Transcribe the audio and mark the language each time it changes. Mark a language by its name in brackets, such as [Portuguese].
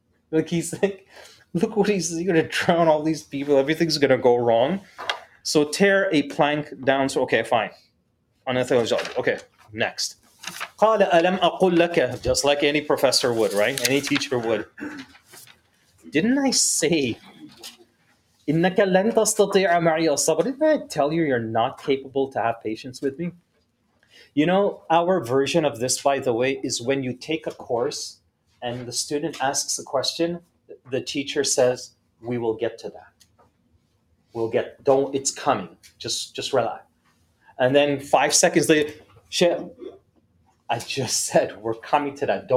[English] Like he's like, look what he's going to drown all these people. Everything's going to go wrong. So tear a plank down. So okay, fine. Another job. Okay, next. [Arabic] قَالَ أَلَمْ أَقُلْ لَكَ. [English] Just like any professor would, right? Any teacher would. Didn't I say, [Arabic] إِنَّكَ لَنْ تَسْتَطِيعَ مَعِيَ الصَّبْرِ. [English] Didn't I tell you you're not capable to have patience with me? You know, our version of this, by the way, is when you take a course and the student asks a question, the teacher says, we will get to that. It's coming. Just relax. And then 5 seconds later, Sheikh, I just said, we're coming to that.